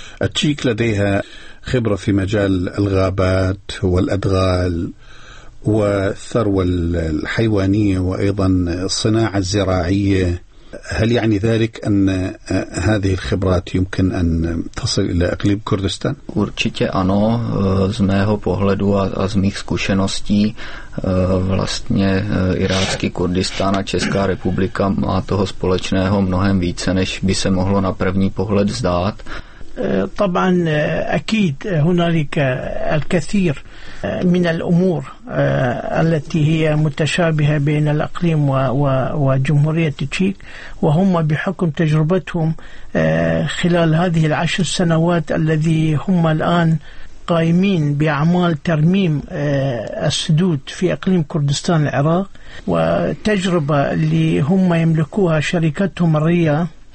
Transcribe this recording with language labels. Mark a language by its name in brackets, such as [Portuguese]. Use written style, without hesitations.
[Arabic] التشيك لديها خبرة في مجال الغابات والأدغال والثروة الحيوانية وأيضا الصناعة الزراعية، هل يعني ذلك أن هذه الخبرات يمكن أن تصل إلى أقليم كردستان؟ [Czech] určitě ano, z mého pohledu a z mých zkušeností vlastně irácký Kurdistán a Česká republika má toho společného mnohem více, než by se mohlo na první pohled zdát. [Arabic] طبعا أكيد هنالك الكثير من الأمور التي هي متشابهة بين الأقليم وجمهورية التشيك، وهم بحكم تجربتهم خلال هذه العشر سنوات الذي هم الآن قائمين بأعمال ترميم السدود في أقليم كردستان العراق، وتجربة اللي هم يملكوها شركتهم الريا